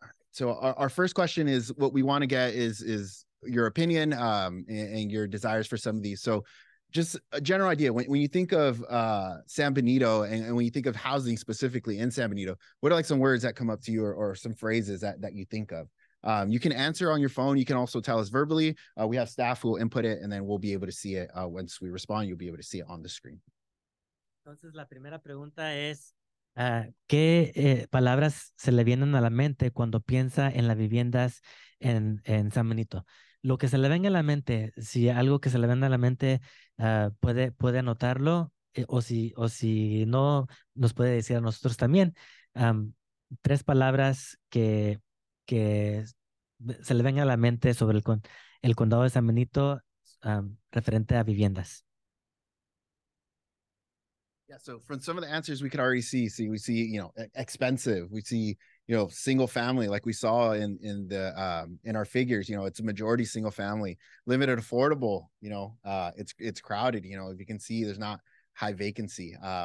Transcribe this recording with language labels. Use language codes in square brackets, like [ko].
[en] So our first question is, what we want to get is your opinion and your desires for some of these. So just a general idea, when you think of San Benito and when you think of housing specifically in San Benito, what are like some words that come up to you or some phrases that you think of? You can answer on your phone. You can also tell us verbally. We have staff who will input it, and then we'll be able to see it. Once we respond, you'll be able to see it on the screen. [es] Entonces, la primera pregunta es, ¿qué palabras se le vienen a la mente cuando piensa en las viviendas en San Benito? Lo que se le venga a la mente, si algo que se le venga a la mente puede anotarlo, o si no, nos puede decir a nosotros también. Tres palabras que se le venga a la mente sobre el condado de San Benito referente a viviendas. [en] Yeah, so from some of the answers we could already see, we see, you know, expensive. We see, you know, single family, like we saw in our figures, you know, it's a majority single family, limited affordable, you know, it's crowded, you know, if you can see there's not high vacancy.